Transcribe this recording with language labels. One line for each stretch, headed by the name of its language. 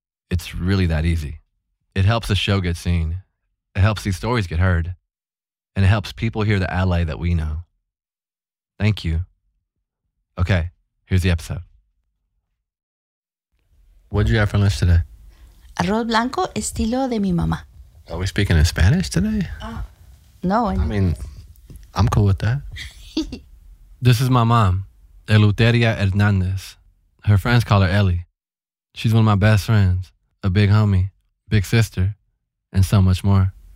English: It's really that easy. It helps the show get seen. It helps these stories get heard. And it helps people hear the ally that we know. Thank you. Okay, here's the episode. What did you have for lunch today?
Spanish: Arroz blanco estilo de mi mamá.
English: Are we speaking in Spanish today? No. I mean, I'm cool with that. This is my mom, Eleuteria Hernandez. Her friends call her Ellie. She's one of my best friends, a big homie, big sister, and so much more.